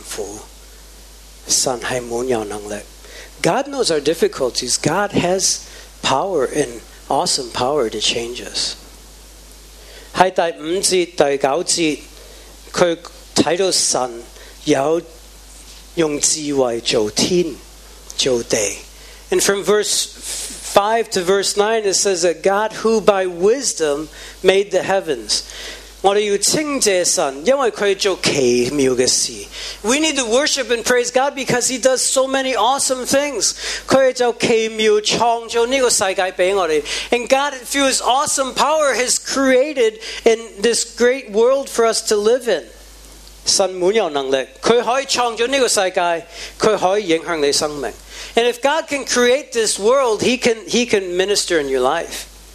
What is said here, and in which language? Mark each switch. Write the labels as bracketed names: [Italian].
[Chinese] 神是知道我們的困苦,神是滿有能力。 [English] God knows our difficulties. God has power and awesome power to change us. [Chinese] 在第五節、第九節,他看到神有 用智慧做天做地。 [English] And from verse 5 to verse 9, it says that God who by wisdom made the heavens. [Chinese] 我们要称谢神,因为他做奇妙的事。 [English] We need to worship and praise God because He does so many awesome things. [Chinese] 他做奇妙,创造这个世界给我们。 [English] And God, through His awesome power, has created in this great world for us to live in. [Chinese] 神滿有能力,祂可以創造這個世界,祂可以影響你生命。 [English] And if God can create this world, He can minister in your life.